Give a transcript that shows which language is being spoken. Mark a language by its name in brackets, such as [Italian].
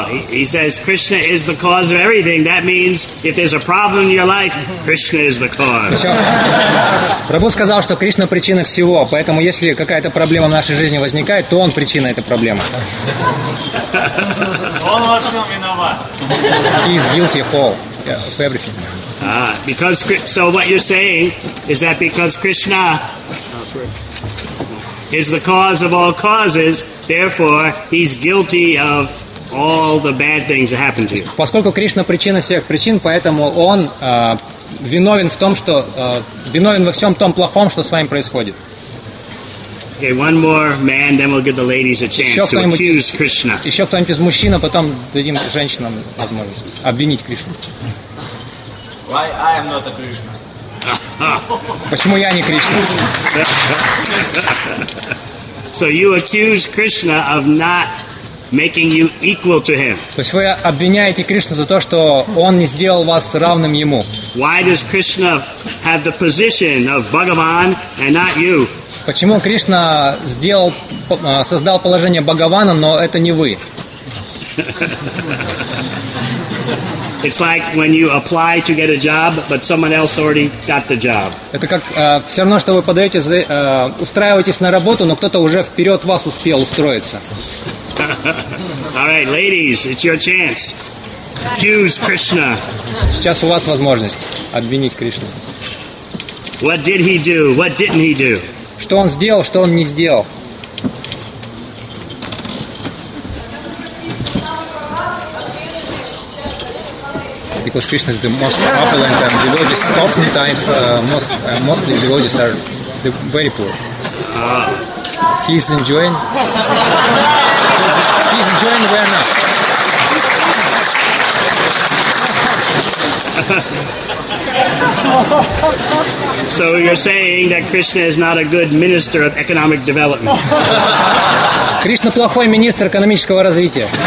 [English] He says Krishna is the cause of everything. That means if there's a problem in your life, Krishna is the cause. [Russian] Прабху сказал, что Кришна причина всего, поэтому если какая-то проблема в нашей жизни возникает, то он причина этой проблемы. Он во всем виноват. [English] He's guilty of all, of everything. So what you're saying is that because Krishna is the cause of all causes, therefore he's guilty of all the bad things that happen to you. [Russian] Поскольку Кришна причина всех причин, поэтому он виновен в том, что виновен во всем том плохом, что с вами происходит. [English] Okay, one more man, then we'll give the ladies a chance to accuse Krishna. [Russian] Еще кто-нибудь из мужчин, а потом дадим женщинам возможность обвинить Кришну. [English] Why I am not a Krishna? [Russian] Почему я не Кришна? [English] So you accuse Krishna of not making you equal to him. [Russian] То есть вы обвиняете Кришну за то, что он не сделал вас равным ему. [English] Why does Krishna have the position of Bhagavan and not you? [Russian] Почему Кришна создал положение Бхагавана, но это не вы? [English] It's like when you apply to get a job, but someone else already got the job. [Russian] Это как все равно, что вы подаете, устраиваетесь на работу, но кто-то уже вперед вас успел устроиться. [English] All right, ladies, it's your chance. Accuse Krishna. [Russian] Сейчас у вас возможность обвинить Кришну. [English] What did he do? What didn't he do? [Russian] Что он сделал, что он не сделал? [English] Because Krishna is the most opulent and the devotees oftentimes mostly devotees are the very poor. He's enjoying. He's enjoying where now? So you're saying that Krishna is not a good minister of economic development. [Russian] Krishna плохой министр экономического развития.